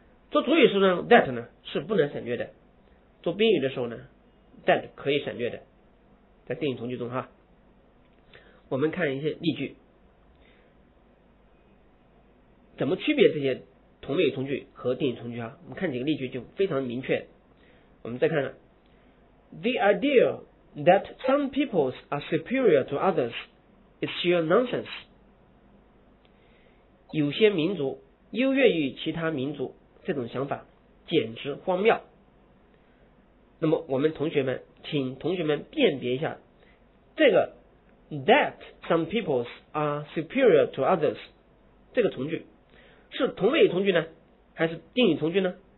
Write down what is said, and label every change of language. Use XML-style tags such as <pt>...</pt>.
<zh>做主语时呢 that 呢是不能省略的，做宾语的时候呢 that 可以省略的，在定语从句中哈。我们看一些例句，怎么区别这些同位语从句和定语从句啊？我们看几个例句就非常明确。我们再看看</zh> <en>，The idea that some peoples are superior to others is sheer nonsense。</en> <zh>有些民族优越于其他民族，这种想法简直荒谬。那么我们同学们，请同学们辨别一下这个。</zh> <en>That some peoples are superior to others，</en> <zh>这个从句是同位语从句呢，还是定语从句呢？</zh>